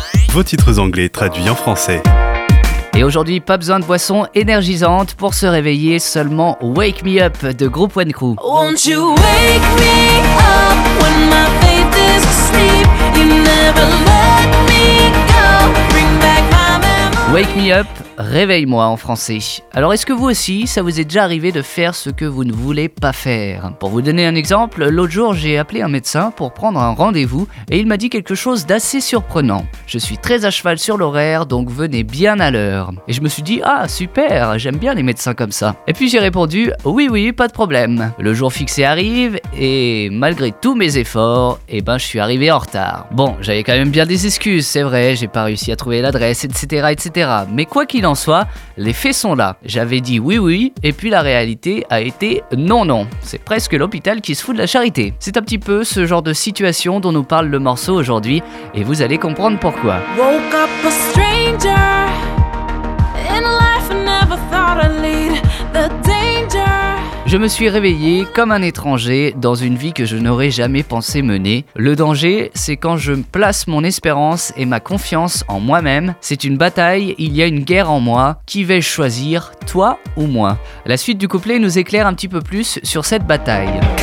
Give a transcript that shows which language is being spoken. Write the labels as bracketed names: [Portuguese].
[French] Vos titres anglais traduits en français. Et aujourd'hui, pas besoin de boissons énergisantes pour se réveiller, seulement Wake Me Up de Groupe One Crew. [English] Won't you wake me up when my faith is asleep? You never let me go. Bring back my memory. [French] Wake Me Up, réveille-moi en français. Alors est-ce que vous aussi, ça vous est déjà arrivé de faire ce que vous ne voulez pas faire? Pour vous donner un exemple, l'autre jour j'ai appelé un médecin pour prendre un rendez-vous et il m'a dit quelque chose d'assez surprenant. Je suis très à cheval sur l'horaire, donc venez bien à l'heure. Et je me suis dit, ah super, j'aime bien les médecins comme ça. Et puis j'ai répondu, oui oui, pas de problème. Le jour fixé arrive et malgré tous mes efforts, eh ben je suis arrivé en retard. Bon, j'avais quand même bien des excuses, c'est vrai, j'ai pas réussi à trouver l'adresse, etc, etc. Mais quoi qu'il en soit, les faits sont là. J'avais dit oui oui, et puis la réalité a été non non. C'est presque l'hôpital qui se fout de la charité. C'est un petit peu ce genre de situation dont nous parle le morceau aujourd'hui, et vous allez comprendre pourquoi. [English] Woke up a stranger, in life I never thought I'd lead the danger. [French] Je me suis réveillé comme un étranger dans une vie que je n'aurais jamais pensé mener. Le danger, c'est quand je place mon espérance et ma confiance en moi-même. C'est une bataille, il y a une guerre en moi. Qui vais-je choisir, toi ou moi? La suite du couplet nous éclaire un petit peu plus sur cette bataille.